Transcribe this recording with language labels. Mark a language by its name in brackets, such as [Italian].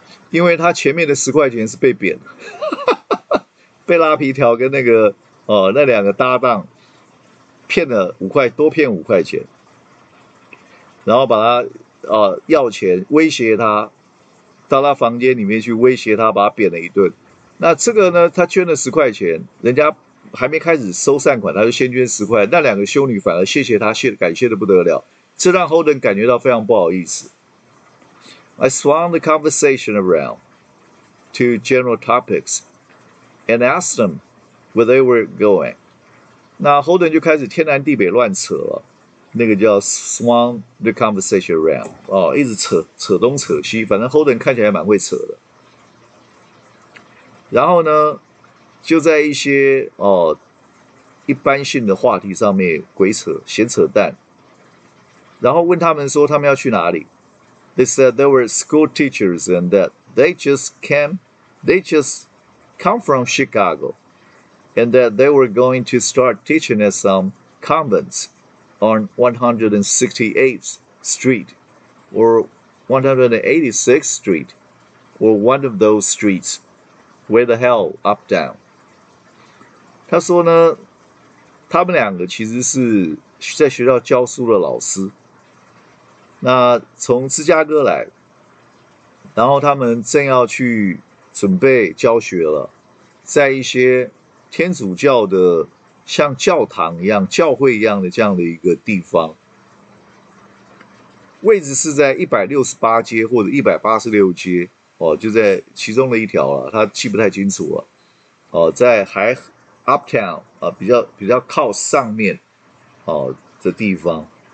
[Chinese] 因为他前面的十块钱是被贬了，被拉皮条跟那个那两个搭档骗了五块，多骗五块钱，然后把他要钱威胁他，到他房间里面去威胁他，把他扁了一顿。那这个呢，他捐了十块钱，人家还没开始收善款，他就先捐十块，那两个修女反而谢谢他，感谢得不得了，这让 Holden 感觉到非常不好意思。 [English] I swung the conversation around to general topics and asked them where they were going. [Chinese] 那 Holden 就开始天南地北乱扯了，那个叫 [English] swung the conversation around， [Chinese] 哦，一直扯扯东扯西，反正 Holden 看起来蛮会扯的。然后呢，就在一些一般性的话题上面鬼扯闲扯淡，然后问他们说他们要去哪里。 [English] They said they were school teachers and that they just come from Chicago and that they were going to start teaching at some convents on 168th Street or 186th Street or one of those streets. Where the hell up down？ [Chinese] 他说呢，他们两个其实是在学校教书的老师。那从芝加哥来，然后他们正要去准备教学了，在一些天主教的像教堂一样、教会一样的这样的一个地方，位置是在168街或者186街哦，就在其中的一条了，他记不太清楚了哦，在还 uptown 比较靠上面哦的地方。